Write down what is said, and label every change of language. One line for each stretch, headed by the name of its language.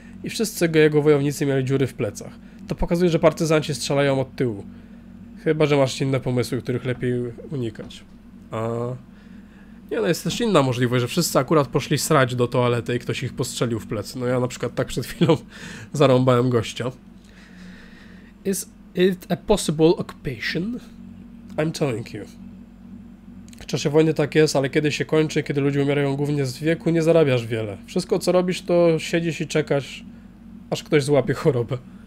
Polish: I wszyscy jego wojownicy mieli dziury w plecach. To pokazuje, że partyzanci strzelają od tyłu. Chyba, że masz inne pomysły, których lepiej unikać. A nie, no jest też inna możliwość, że wszyscy akurat poszli srać do toalety i ktoś ich postrzelił w plecy. No ja na przykład tak przed chwilą zarąbałem gościa.
English: Is it a possible occupation? I'm telling you.
Polish: W czasie wojny tak jest, ale kiedy się kończy, kiedy ludzie umierają głównie z wieku, nie zarabiasz wiele. Wszystko co robisz, to siedzisz i czekasz, aż ktoś złapie chorobę.